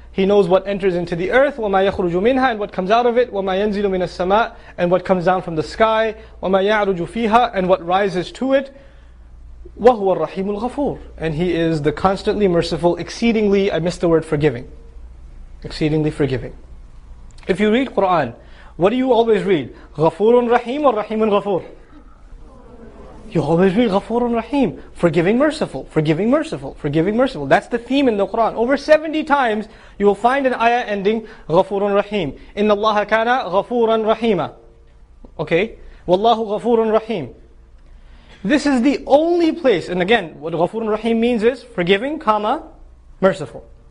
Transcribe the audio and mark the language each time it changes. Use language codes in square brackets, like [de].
[en] He knows what enters into the earth, [ar] وَمَا يَخْرُجُ مِنْهَا, [en] and what comes out of it, [ar] وَمَا يَنْزِلُ مِنَ السَّمَاءِ, [en] and what comes down from the sky, [ar] وَمَا يَعْرُجُ فِيهَا, [en] and what rises to it, [ar] وَهُوَ الرَّحِيمُ الْغَفُورُ. [en] And He is the constantly merciful, exceedingly, I missed the word forgiving. Exceedingly forgiving. If you read Qur'an, what do you always read? [ar] غَفُورٌ رَحِيمٌ [en] or [ar] رَحِيمٌ غَفُورٌ? [en] You always read Ghafurun Rahim, forgiving merciful, forgiving merciful, forgiving merciful. That's the theme in the Quran. Over 70 times, you will find an ayah ending Ghafurun Rahim. [ar] Inna Allaha kana Ghafuran Rahima. [en] Okay? [ar] Wallahu Ghafurun Rahim. [en] This is the only place, and again, what Ghafurun Rahim means is forgiving, comma, merciful.